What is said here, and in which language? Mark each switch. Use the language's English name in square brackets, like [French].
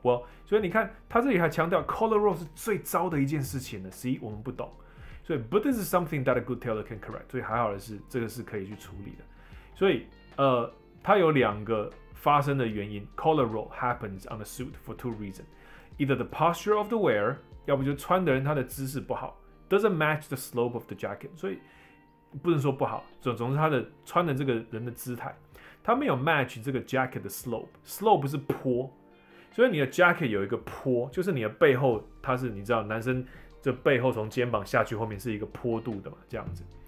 [Chinese] Well， 所以你看，他这里还强调 collar roll 是最糟的一件事情了。 See， 我们不懂。所以 ， [English] but this is something that a good tailor can correct。 [Chinese] 所以还好的是，这个是可以去处理的。所以，它有两个发生的原因。 [English] Collar roll happens on the suit for two reasons: either the posture of the wear， [Chinese] 要不就穿的人他的姿势不好 [English] ，doesn't match the slope of the jacket。 [Chinese] 所以不能说不好，总之他的穿的这个人的姿态，他没有 match 这个 jacket 的 slope 是坡，所以你的 jacket 有一个坡，就是你的背后他是你知道男生这背后从肩膀下去后面是一个坡度的嘛，这样子。